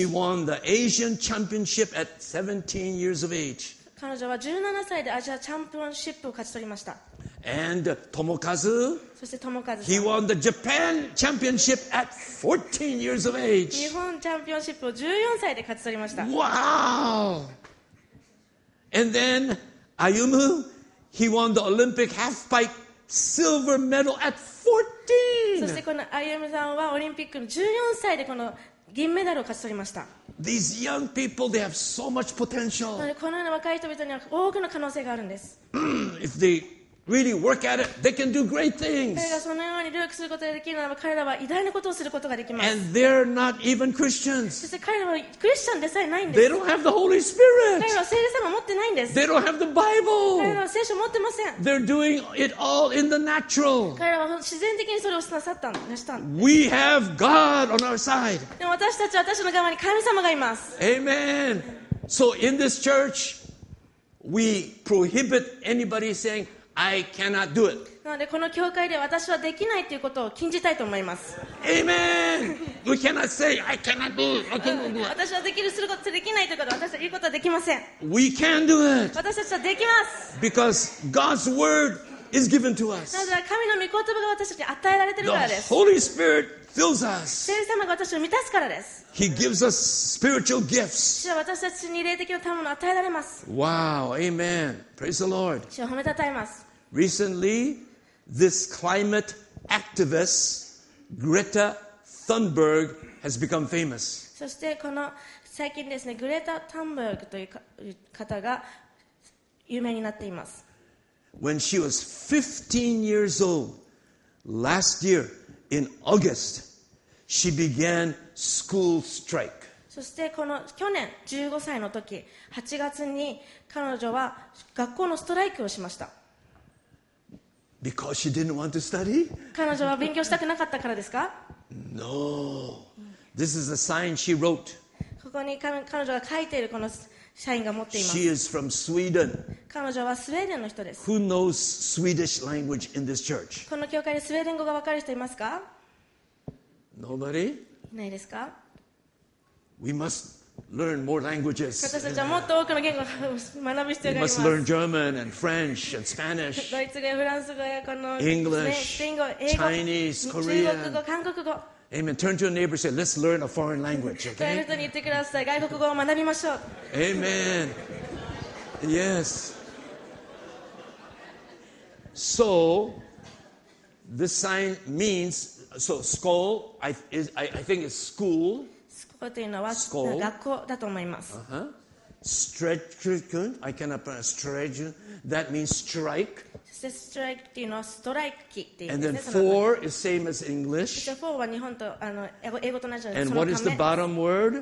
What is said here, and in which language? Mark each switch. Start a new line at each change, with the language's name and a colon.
English: She won the Asian Championship at 17 years of age.
Japanese: 彼女は17歳でアジアチャンピオンシップを勝ち取りました。
English: And Tomokazu.
Japanese: そして Tomokazu.
English: He won the Japan Championship at 14 years of age.
Japanese: 日本チャンピオンシップを14歳で勝ち取りました。
English: Wow! And then Ayumu. He won the Olympic half-pipe silver medal at 14.
Japanese: そしてこのアイエムさんはオリンピックの14歳でこの銀メダルを勝ち取りました。
English: These young people, they have so much potential.
Japanese: このような若い人々には多くの可能性があるんです。
English: If they really work at it, they can do great things.
Japanese: 彼らがそのように努力することができるならば、彼らは偉大なことをすることができます。
English: And they're not even Christians.
Japanese: そして彼らはクリスチャンでさえないんです。
English: They don't have the Holy Spirit.
Japanese: 彼らは聖霊様を持ってないんです。
English: They don't have the Bible.
Japanese: 彼らは聖書を持ってません。
English: They're doing it all in the natural.
Japanese: 彼らは自然的にそれをなさったんです。
English: We have God on our side.
Japanese: でも私たちは私の側に神様がいます。
English: Amen. So in this church, we prohibit anybody saying,I cannot do it.
Japanese: なのでこの教会で私はできないということを禁じたいと思います。
English: Amen. We cannot say I cannot do it. I cannot do it.
Japanese: 私はできるすることできないということは私は言うことはできません。
English: We can do it.
Japanese: 私たちはできます。
English: Because God's word is given to us.
Japanese: なぜ神の御言葉が私たちに与えられているからです。
English: The Holy Spirit fills us.
Japanese: 聖霊様が私を満たすからです。
English: He gives us spiritual gifts.
Japanese: 主は私たちに霊的な賜物を与えられます。
English: Wow. Amen. Praise the Lord.
Japanese: 主を褒めたたえます。
English: Recently, this climate activist Greta Thunberg has become famous.
Japanese: そしてこの最近ですね、グレタ・タンバーグという方が有名になっています。
English: When she was 15 years old last year in August, she began school strike.
Japanese: そしてこの去年15歳の時、8月に彼女は学校のストライキをしました。
English: Because she didn't want to study?
Japanese: 彼女は勉強したくなかったからですか?
English: No. This is a sign she wrote.
Japanese: ここに彼女が書いているこのサインが持っています。
English: She is from Sweden.
Japanese: 彼女はスウェーデンの人です。
English: Who knows Swedish language in this church?
Japanese: この教会でスウェーデン語が分かる人いますか?
English: Nobody?
Japanese: ないですか?
English: We must learn more languages.
Japanese: 私たちはもっと多くの言語を学ぶ必要があります。
English: We must learn German and French and Spanish.
Japanese: ドイツ語やフランス語やこの
English: English,
Japanese: 英語、
English: Chinese, Korean,
Japanese: 中国語、韓国語。
English: Amen. Turn to your neighbor and say, let's learn a foreign language. Okay?
Japanese: 隣の人に言ってください。外国語を学びましょう。
English: Amen. Yes. So, this sign means, so school, I think it's school.
Japanese: というのは学校だと思います。
English: Stretchen, I cannot pronounce stretchen. That means strike. So strike
Japanese: というのはストライキっていうんですね。
English: And then four is same as English.
Japanese: そして four は日本と英語と同じです。
English: And what is the bottom word?